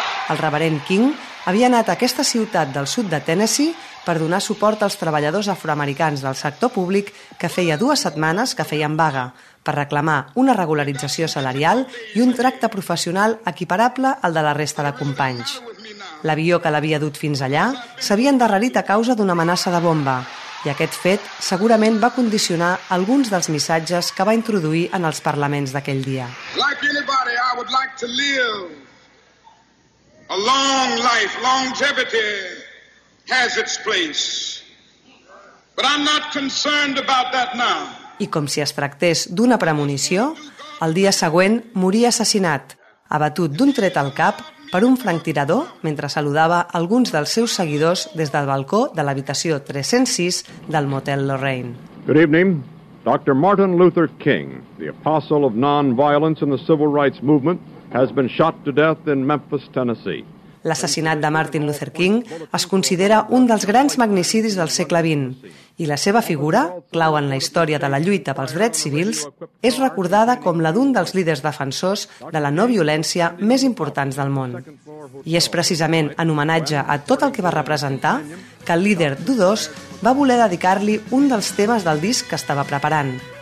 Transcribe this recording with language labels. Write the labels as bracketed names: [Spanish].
[Catalan] El reverend King havia anat a aquesta ciutat del sud de Tennessee per donar suport als treballadors afroamericans del sector públic que feia 2 setmanes que feien vaga, per reclamar una regularització salarial i un tracte professional equiparable al de la resta de companys. L'avió que l'havia dut fins allà s'havia endarrerit a causa d'una amenaça de bomba i aquest fet segurament va condicionar alguns dels missatges que va introduir en els parlaments d'aquell dia. [English] Like anybody, I would like to live. A long life, longevity has its place. But I'm not concerned about that now. [Catalan] I com si es tractés d'una premonició, el dia següent moria assassinat, abatut d'un tret al cap per un franctirador mentre saludava alguns dels seus seguidors des del balcó de l'habitació 306 del motel Lorraine. [English] Good evening. Dr. Martin Luther King, the apostle of non-violence in the civil rights movement, has been shot to death in Memphis, Tennessee. [Catalan] L'assassinat de Martin Luther King es considera un dels grans magnicidis del segle XX i la seva figura, clau en la història de la lluita pels drets civils, és recordada com la d'un dels líders defensors de la no violència més importants del món. I és precisament en homenatge a tot el que va representar que el líder d'U2 va voler dedicar-li un dels temes del disc que estava preparant.